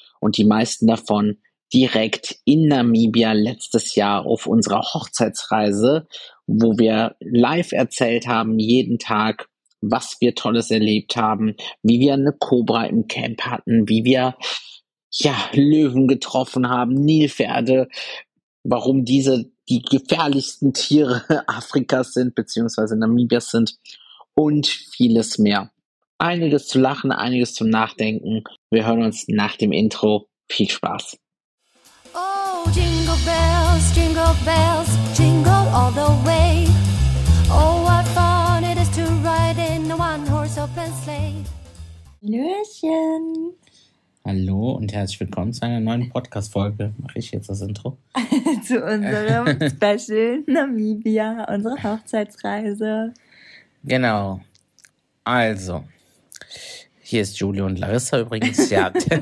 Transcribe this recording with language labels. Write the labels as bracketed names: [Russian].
[German] Und die meisten davon direkt in Namibia letztes Jahr auf unserer Hochzeitsreise, wo wir live erzählt haben, jeden Tag, was wir Tolles erlebt haben, wie wir eine Kobra im Camp hatten, wie wir, ja, Löwen getroffen haben, Nilpferde. Warum diese die gefährlichsten Tiere Afrikas sind, beziehungsweise Namibias sind und vieles mehr. Einiges zu lachen, einiges zum Nachdenken. Wir hören uns nach dem Intro. Viel Spaß. [English] Oh, Jingle Bells, Jingle Bells, Jingle all the way. Oh, what fun it is to ride in a one-horse open sleigh. [German] Hallöchen. Hallo und herzlich willkommen zu einer neuen Podcast-Folge. Mache ich jetzt das Intro? Zu unserem Special Namibia, unsere Hochzeitsreise. Genau. Also, hier ist Julie und Larissa übrigens. Ja.